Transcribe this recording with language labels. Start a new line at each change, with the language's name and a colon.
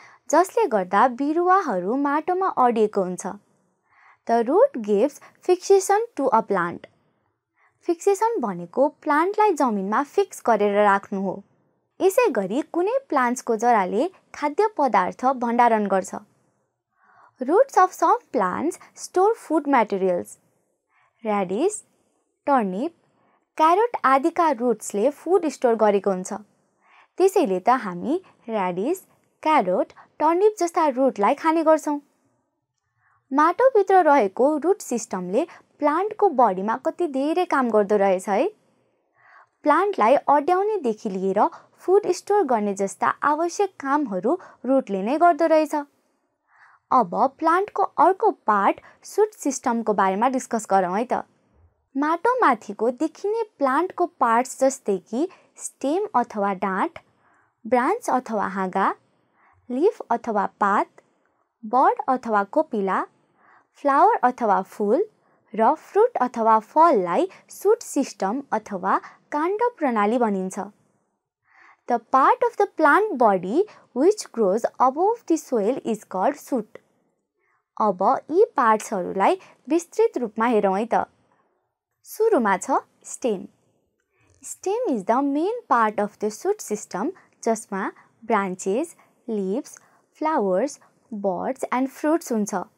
Nepali: जसले गर्दा बिरुवाहरू माटोमा अडिएको हुन्छ.
English: The root gives fixation to a plant.
Nepali: Fixation भनेको प्लान्टलाई जमिनमा फिक्स गरेर राख्नु हो. यसै गरी कुनै प्लान्ट्सको जराले खाद्य पदार्थ भण्डारण गर्छ.
English: Roots of some plants store food materials.
Nepali: Radish, turnip, carrot आदिका रुट्सले फुड स्टोर गरेको हुन्छ. त्यसैले त हामी ऱ्याडिस, क्यारोट, टर्निप जस्ता रुटलाई खाने गर्छौँ. माटोभित्र रहेको रुट सिस्टमले प्लान्टको बडीमा कति धेरै काम गर्दो रहेछ है. प्लान्टलाई अड्याउनेदेखि लिएर फुड स्टोर गर्ने जस्ता आवश्यक कामहरू रुटले नै गर्दो रहेछ. अब प्लान्टको अर्को पार्ट सुट सिस्टमको बारेमा डिस्कस गरौँ है त. माटोमाथिको देखिने प्लान्टको पार्ट्स जस्तै कि स्टेम अथवा डाँट, ब्रान्च अथवा हाँगा, लिफ अथवा पात, बर्ड अथवा कोपिला, फ्लावर अथवा फुल र फ्रुट अथवा फललाई सुट सिस्टम अथवा काण्ड प्रणाली भनिन्छ.
English: The part of the plant body which grows above the soil is called shoot.
Nepali: अब यी पार्ट्सहरूलाई विस्तृत रूपमा हेरौँ है त. सुरुमा छ
English: Stem. Stem is the main part of the shoot system जसमा branches, leaves, flowers, buds and fruits हुन्छ.